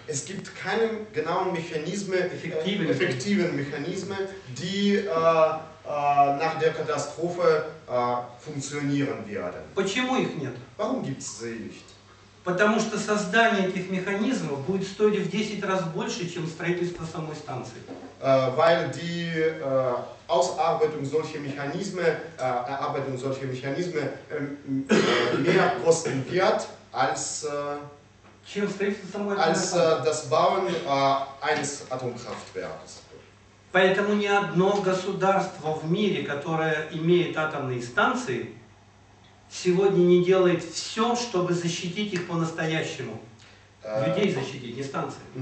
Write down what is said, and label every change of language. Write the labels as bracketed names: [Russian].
[German] Es gibt keine genauen Mechanismen, [Russian] эффективные [German] Mechanismen, die nach der Katastrophe funktionieren werden. [Russian] Почему их нет? [German] Warum gibt's sie nicht? [Russian] Потому что создание этих механизмов будет стоить в 10 раз больше, чем строительство самой станции. [German] Weil die Ausarbeitung solcher Mechanismen, Erarbeitung solcher Mechanismen mehr kosten wird, als, [Russian] чем строительство самой [German] als das Bauen eines Atomkraftwerks. [Russian] Поэтому ни одно государство в мире, которое имеет атомные станции, сегодня не делает все, чтобы защитить их по-настоящему. Людей защитить, не станции.